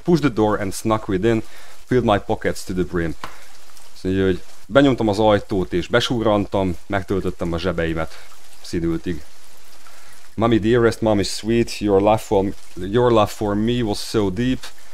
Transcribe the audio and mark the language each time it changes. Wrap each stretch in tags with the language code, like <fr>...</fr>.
<en>Pushed the door and snuck within, filled my pockets to the brim.</en> <hu>Azt mondja, hogy benyomtam az ajtót és besugrantam, megtöltöttem a zsebeimet színültig.</hu> <en>Mommy dearest, mommy sweet, your love for me was so deep.</en>